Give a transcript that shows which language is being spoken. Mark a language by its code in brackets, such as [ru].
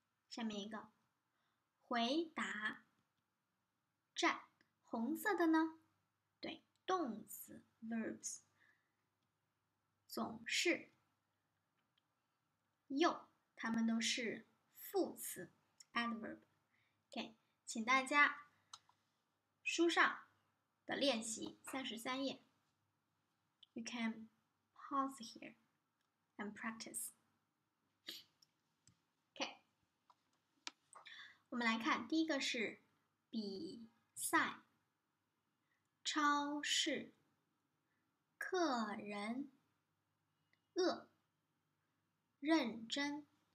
[zh] 下面一个，回答；站。红色的呢？对，动词 verbs。总是；又，它们都是副词 adverb。 OK, 请大家书上的练习33页， [en] You can pause here and practice. [zh] OK, 我们来看，第一个是比赛、超市、客人、饿、认真。